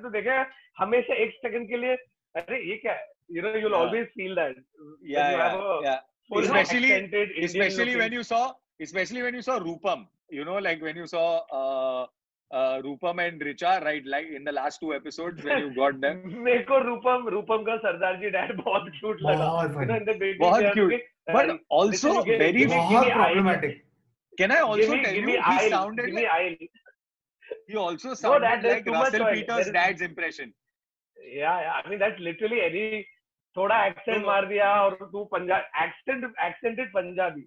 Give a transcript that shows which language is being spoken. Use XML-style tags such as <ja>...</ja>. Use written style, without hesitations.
<en>So,</en> <hi>dekha, hamesha ek second ke liye, अरे ये क्या है,</hi> <en>you know, you'll always feel that. Yeah. Especially when you saw Rupam, you know, like when you saw Rupam and Richa, right? Like in the last two episodes when you got them.</en> <hi>मेरे को रूपम का सरदार जी dad बहुत cute लगा. बहुत cute.</hi> <en>But also very problematic. Can I also tell you he sounded like? He also sounded like Russell Peters' dad's impression. Yeah, I mean that's literally any thoda accent</en> <hi>maar diya aur tu</hi> <en>Punjabi accented Punjabi.</en>